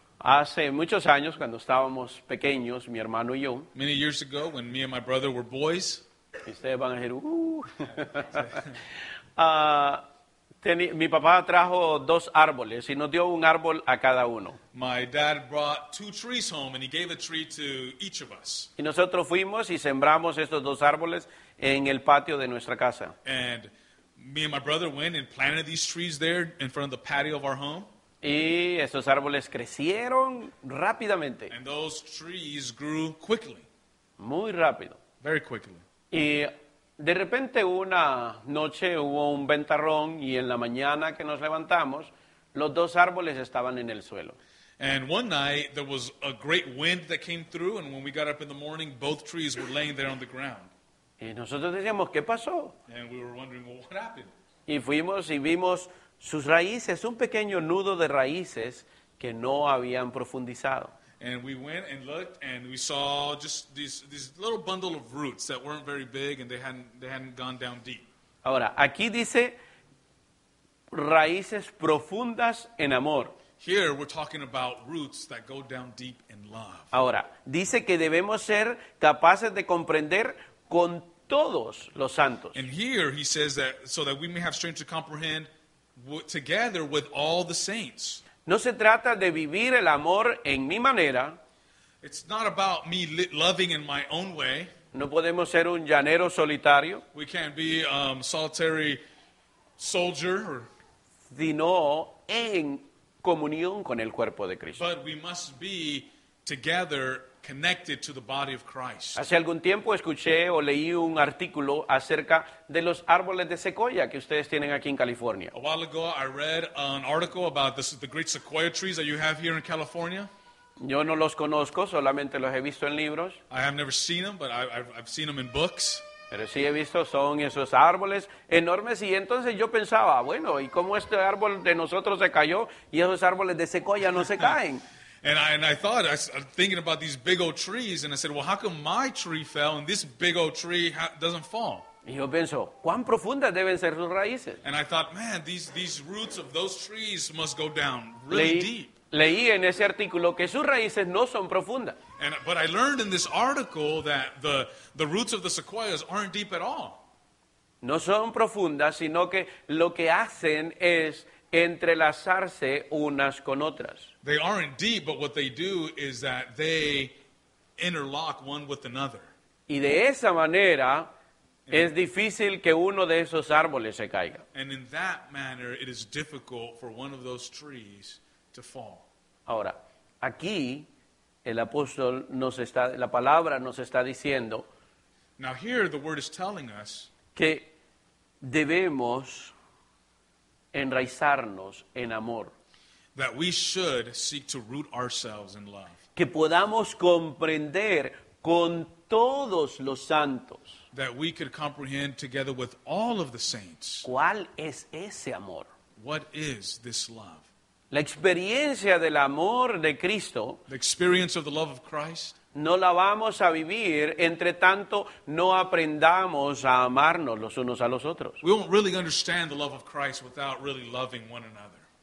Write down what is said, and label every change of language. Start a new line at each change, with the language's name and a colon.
Spanish: Hace muchos años, cuando estábamos pequeños, mi hermano y yo.
English: Many years ago, when me and my brother were boys.
Spanish: Ustedes van a decir, mi papá trajo dos árboles y nos dio un árbol a cada uno.
English: My dad brought two trees home and he gave a tree to each of us.
Spanish: Y nosotros fuimos y sembramos estos dos árboles en el patio de nuestra casa.
English: And me and my brother went and planted these trees there in front of the patio of our home.
Spanish: Y esos árboles crecieron rápidamente.
English: And those trees grew quickly.
Spanish: Muy rápido.
English: Very quickly.
Spanish: Y de repente una noche hubo un ventarrón y en la mañana que nos levantamos, los dos árboles estaban en el suelo.
English: And one night there was a great wind that came through and when we got up in the morning, both trees were laying there on the ground.
Spanish: Y nosotros decíamos, ¿qué pasó?
English: And we were wondering, well, what happened?
Spanish: Y fuimos y vimos sus raíces, un pequeño nudo de raíces que no habían profundizado.
English: And we went and looked, and we saw just this little bundle of roots that weren't very big, and they hadn't gone down deep.
Spanish: Ahora, aquí dice raíces profundas en amor.
English: Here we're talking about roots that go down deep in love.
Spanish: Ahora, dice que debemos ser capaces de comprender con todos los santos.
English: And here he says that so that we may have strength to comprehend together with all the saints.
Spanish: No se trata de vivir el amor en mi manera.
English: It's not about me loving in my own way.
Spanish: No podemos ser un llanero solitario.
English: We can't be a solitary soldier.
Spanish: Sino en comunión con el cuerpo de Cristo.
English: But we must be together connected to the body of Christ.
Spanish: Hace algún tiempo escuché o leí un artículo acerca de los árboles de secoya que ustedes tienen aquí en California.
English: A while ago I read an article about the great sequoia trees that you have here in California.
Spanish: Yo no los conozco, solamente los he visto en libros.
English: I have never seen them, but I've seen them in books.
Spanish: Pero sí he visto, son esos árboles enormes. Y entonces yo pensaba, bueno, ¿y cómo este árbol de nosotros se cayó y esos árboles de secoya no se caen?
English: And I thought, thinking about these big old trees, and I said, well, how come my tree fell and this big old tree doesn't fall?
Spanish: Y yo pienso, ¿cuán profundas deben ser sus raíces?
English: And I thought, man, these roots of those trees must go down really deep.
Spanish: Leí en ese artículo que sus raíces no son profundas.
English: But I learned in this article that the roots of the sequoias aren't deep at all.
Spanish: No son profundas, sino que lo que hacen es entrelazarse unas con otras.
English: They aren't deep, but what they do is that they interlock one with another.
Spanish: Y de esa manera, es difícil que uno de esos árboles se caiga.
English: And in that manner, it is difficult for one of those trees to fall.
Spanish: Ahora, aquí, el apóstol nos está, la palabra nos está diciendo.
English: Now here, the word is telling us.
Spanish: Que debemos enraizarnos en amor.
English: That we should seek to root ourselves in love.
Spanish: Que podamos comprender con todos los santos.
English: That we could comprehend together with all of the saints.
Spanish: ¿Cuál es ese amor?
English: What is this love?
Spanish: La experiencia del amor de Cristo.
English: The experience of the love of Christ.
Spanish: No la vamos a vivir, entre tanto, no aprendamos a amarnos los unos a los otros.
English: We won't really understand the love of Christ without really loving one another.